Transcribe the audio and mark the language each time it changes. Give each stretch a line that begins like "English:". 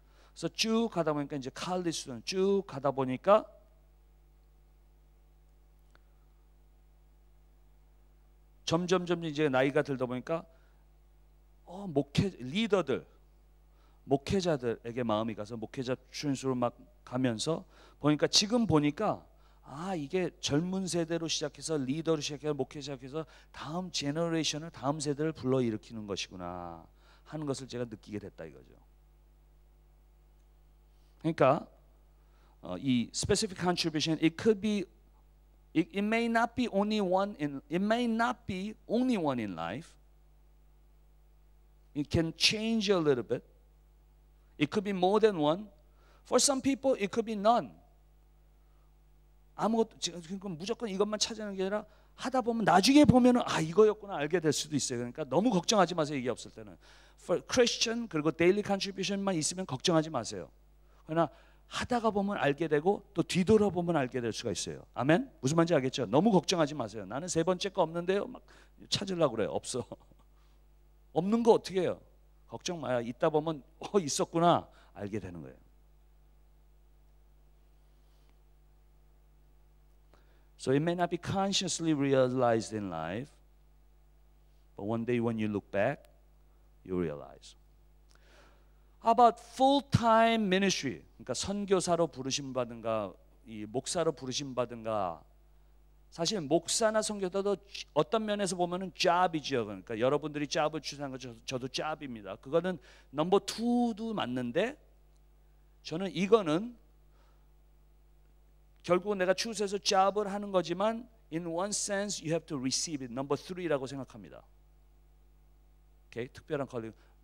Korean: 그래서 쭉 가다 보니까 이제 칼리스는 쭉 가다 보니까 점점 이제 나이가 들다 보니까 목회 리더들 목회자들에게 마음이 가서 목회자 출신으로 막 가면서 보니까 지금 보니까 아 이게 젊은 세대로 시작해서 리더로 시작해서 목회 시작해서 다음 제너레이션을 다음 세대를 불러일으키는 것이구나 하는 것을 제가 느끼게 됐다 이거죠. 그러니까
English: 이 specific contribution it could be it may not be only one in it may not be only one in life. It can change a little bit. It could be more than one. For some people, it could be none.
Korean: 아무것도 무조건 이것만 찾아내는 게 아니라 하다 보면 나중에 보면 아 이거였구나 알게 될 수도 있어요. 그러니까 너무 걱정하지 마세요. 이게 없을 때는.
English: For Christian,
Korean: 그리고 daily contribution만 있으면 걱정하지 마세요. 그러나 하다가 보면 알게 되고 또 뒤돌아보면 알게 될 수가 있어요. 아멘? 무슨 말인지 알겠죠? 너무 걱정하지 마세요. 나는 세 번째 거 없는데요. 막 찾으려고 그래요. 없어. 없는 거 어떻게 해요? 걱정 마요. 있다 보면 있었구나 알게 되는 거예요.
English: So it may not be consciously realized in life, but one day when you look back, you realize. How about full-time ministry?
Korean: 그러니까 선교사로 부르심 받은가, 이 목사로 부르심 받은가. 사실 목사나 선교사도 어떤 면에서 보면은 잡이죠. 그러니까 여러분들이 잡을 주장한 거 저도 잡입니다. 그거는 넘버 투도 맞는데 저는 이거는 결국은 내가 추세에서 잡을 하는 거지만
English: in one sense you have to receive it number three
Korean: 라고 생각합니다. 오케이 특별한 calling.